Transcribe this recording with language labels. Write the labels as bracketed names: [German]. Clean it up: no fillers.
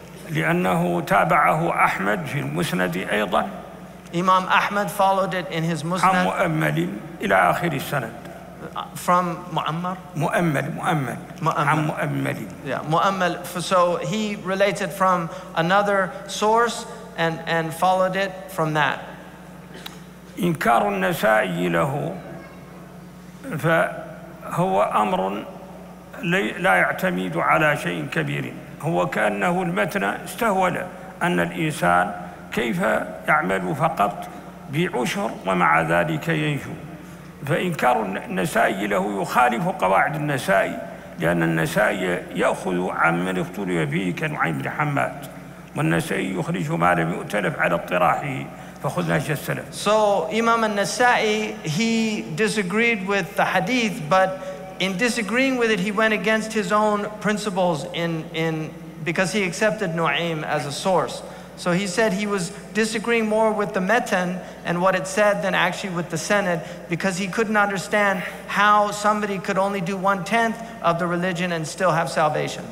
[Arabic] لأنه تابعه أحمد في المسند أيضا. [English] Imam Ahmad followed it in his Musnad. [Arabic] عن مؤمل إلى آخر السند. [English] From مؤمر. [Arabic] مؤمل. مؤمل. عن مؤمل. [English] Yeah, مؤمل. So he related from another source and followed it from that. [Arabic] إنكار النسائي له فهو أمر لا يعتمد على شيء كبير. هو كأنه المتن استهول أن الإنسان كيف يعمل فقط بعشر ومع ذلك ينجو. فإنكار النسائي له يخالف قواعد النسائي، لأن النسائي يأخذ عن من اختلف فيه كنعيم بن حماد، والنسائي يخرج ما لم يؤتلف على اطراحه، [English] So Imam al-Nasa'i, he disagreed with the hadith, but in disagreeing with it, he went against his own principles in because he accepted Nu'aym as a source. So he said he was disagreeing more with the metan and what it said than actually with the senad, because he couldn't understand how somebody could only do 1/10 of the religion and still have salvation.